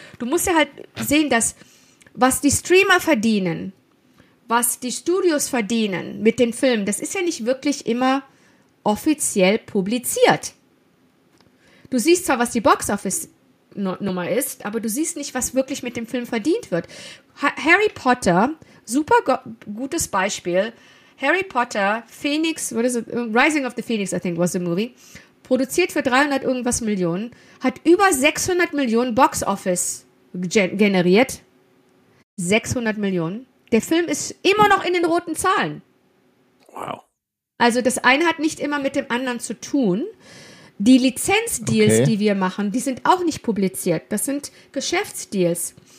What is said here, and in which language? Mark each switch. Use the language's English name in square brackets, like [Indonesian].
[German] Du musst ja halt sehen, dass was die Streamer verdienen, was die Studios verdienen mit den Filmen, das ist ja nicht wirklich immer offiziell publiziert. Du siehst zwar, was die Boxoffice-Nummer ist, aber du siehst nicht, was wirklich mit dem Film verdient wird. Harry Potter, super gutes Beispiel. [English] Harry Potter, Phoenix, what is it? Rising of the Phoenix, I think, was the movie. [German] Produziert für 300 irgendwas Millionen, hat über 600 Millionen Boxoffice generiert. 600 Millionen. Der Film ist immer noch in den roten Zahlen. Wow. Also das eine hat nicht immer mit dem anderen zu tun. Die Lizenzdeals, okay, die wir machen, die sind auch nicht publiziert. Das sind Geschäftsdeals.